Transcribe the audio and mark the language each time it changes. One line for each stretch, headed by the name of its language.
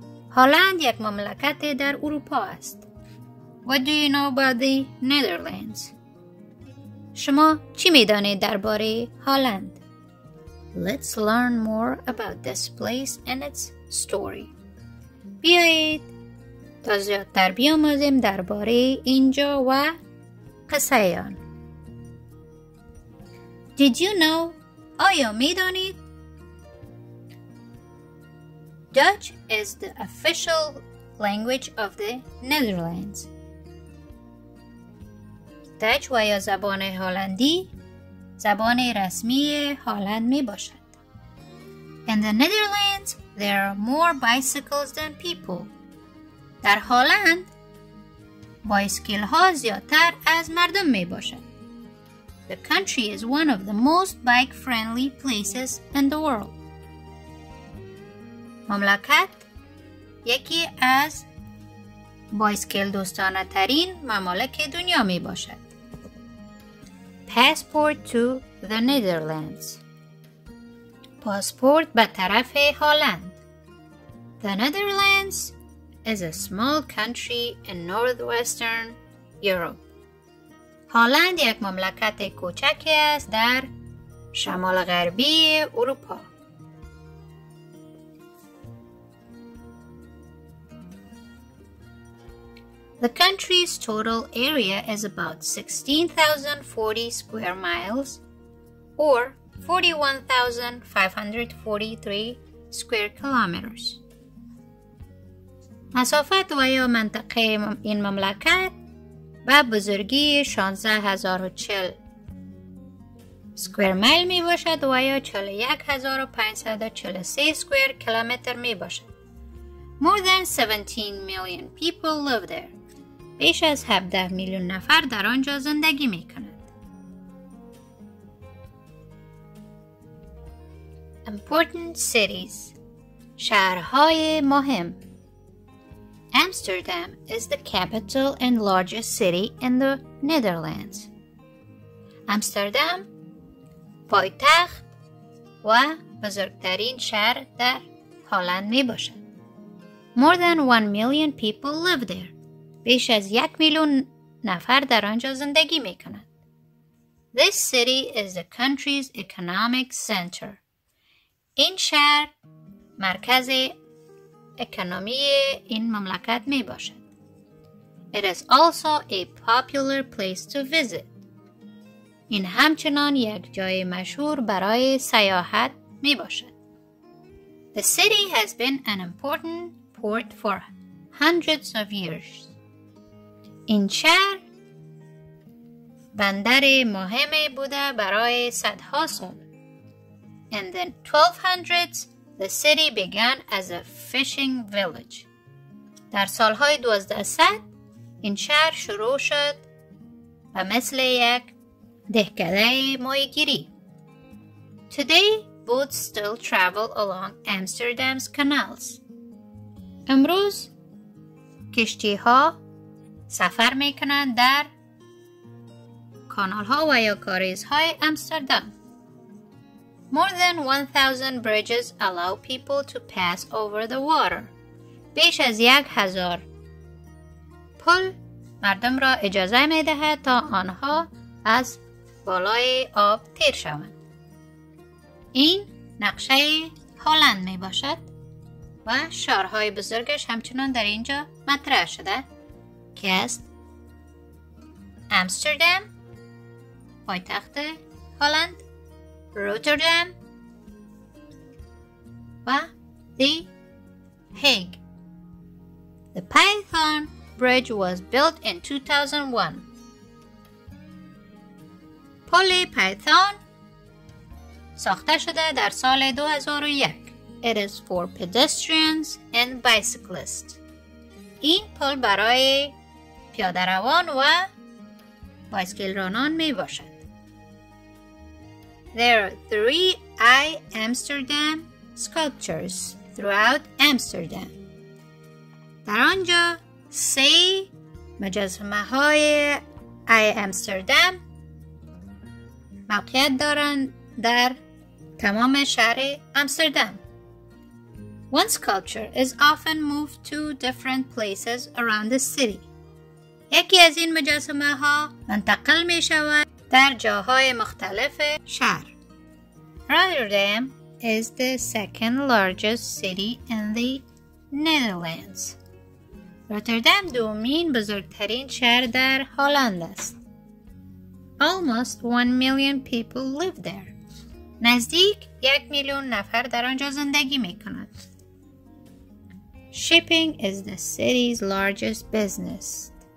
Persian: هالند یک مملکت در اروپا است.
English: What do you know about the Netherlands?
Persian: شما چی می دانید درباره هالند؟
English: Let's learn more about this place and its story.
Persian: بیایید تا زیادتر بیاموزیم درباره اینجا و قصه آن.
English: Did you know?
Persian: آیا می دانید؟
English: Dutch is the official language of the Netherlands.
Persian: دچ و یا زبان هلندی زبان رسمی هلند می باشد.
English: In the Netherlands, there are more bicycles than people.
Persian: در هلند بایسکل ها زیادتر از مردم می باشد.
English: The country is one of the most bike-friendly places in the world.
Persian: مملکت یکی از بایسکل دوستانه ترین ممالک دنیا می باشد.
English: Passport to the Netherlands.
Persian: پاسپورت به طرف هلند.
English: The Netherlands is a small country in northwestern Europe.
Persian: هلند یک مملکت کوچکی است در شمال غربی اروپا.
English: The country's total area is about 16,040 square miles or 41,543 square kilometers.
Persian: مسافت و یا منطقه این مملکت با بزرگی 16,040
English: square mile
Persian: می باشد و یا 41,543
English: square kilometer
Persian: می باشد.
English: More than 17 million people live there.
Persian: بیش از 17 میلیون نفر در آنجا زندگی می کند.
English: Important cities.
Persian: شهرهای مهم.
English: Amsterdam is the capital and largest city in the Netherlands.
Persian: Amsterdam پایتخت و بزرگترین شهر در هلند می باشد.
English: More than 1 million people live there.
Persian: بیش از 1 میلیون نفر در آنجا زندگی می کند.
English: This city is the country's economic center.
Persian: این شهر مرکز اکنومی این مملکت می باشد.
English: It is also a popular place to visit.
Persian: این همچنان یک جای مشهور برای سیاحت می باشد.
English: The city has been an important port for hundreds of years.
Persian: این شهر بندر مهمی بوده برای صدها سال.
English: In the 1200s, the city began as a fishing village.
Persian: در سالهای 1200، این شهر شروع شد و مثل یک دهکده ماهیگیری.
English: Today, boats still travel along Amsterdam's canals.
Persian: امروز کشتی ها سفر میکنند در کانال ها و یا کاریز های امستردام.
English: More than 1,000 bridges allow people to pass over the water.
Persian: بیش از 1,000 پل مردم را اجازه میدهد تا آنها از بالای آب تیر شوند. این نقشه هلند میباشد و شهرهای بزرگش همچنان در اینجا مطرح شده.
English: Amsterdam,
Persian: پایتخت هالند، روتردام و دی هیگ.
English: The Python Bridge was built in 2001.
Persian: پل پایتون ساخته شده در سال 2001.
English: It is for pedestrians and bicyclists.
Persian: این پل برای پیاده روان و بایسکل رانان می باشد.
English: There are three I Amsterdam sculptures throughout Amsterdam.
Persian: در آنجا سه مجسمه های آی امستردام موقعیت دارند در تمام شهر امستردام.
English: One sculpture is often moved to different places around the city.
Persian: یکی از این مجسمه ها منتقل می شود در جاهای مختلف شهر.
English: Rotterdam is the second largest city in the Netherlands.
Persian: روتردام دومین بزرگترین شهر در هلند است.
English: Almost 1 million people live there.
Persian: نزدیک 1 میلیون نفر در آنجا زندگی می کنند.
English: Shipping is the city's largest business.